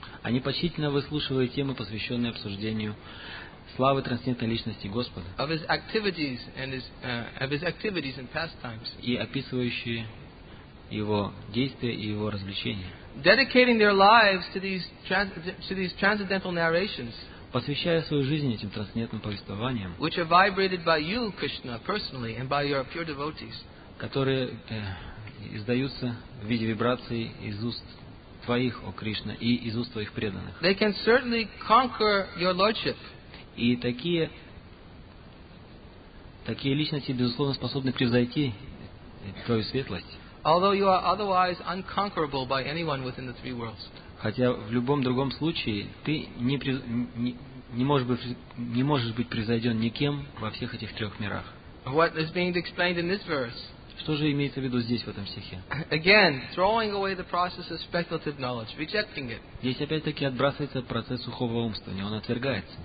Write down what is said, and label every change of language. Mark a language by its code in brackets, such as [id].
[ru] Они почтительно выслушивают темы, посвященные обсуждению славы трансцендентной личности Господа. [en] Of his activities and his activities and pastimes. [ru] И описывающие его действия и его развлечения. [en] Dedicating their lives to these transcendental narrations. [ru] Посвящая свою жизнь этим трансцендентным повествованиям. [en] Which are vibrated by you, Krishna, personally, and by your pure devotees. [ru] Которые издаются в виде вибраций из уст твоих, о Кришна, и из уст твоих преданных. [en] They can certainly conquer your lordship. [ru] И такие личности безусловно способны превзойти твою светлость. [en] Although you are otherwise unconquerable by anyone within the three worlds. [ru] Хотя в любом другом случае ты не можешь быть превзойден никем во всех этих трех мирах. [en] What is being explained in this verse? [ru] Что же имеется в виду здесь, в этом стихе? [en] Again, throwing away the process of speculative knowledge, rejecting it. [ru] Здесь опять-таки отбрасывается процесс сухого умствования, он отвергается.